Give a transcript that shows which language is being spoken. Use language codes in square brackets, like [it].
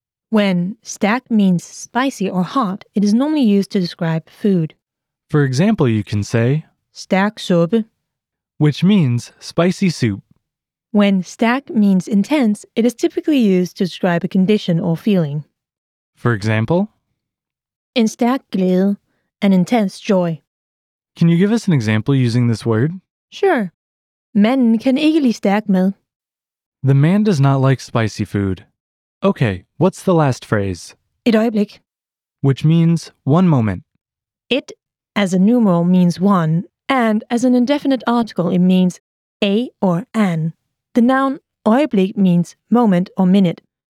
[en] When stærk means spicy or hot, it is normally used to describe food. For example, you can say [da] stærk suppe, [en] which means spicy soup. When stærk means intense, it is typically used to describe a condition or feeling. For example, [da] en stærk glæde, [en] an intense joy. Can you give us an example using this word? Sure. [da] Manden kan ikke lide stærk mad. [en] The man does not like spicy food. Okay, what's the last phrase? [da] Et øjeblik. [en] Which means one moment. It, as a numeral, means one, and as an indefinite article, it means a or an. The noun øjeblik means moment or minute.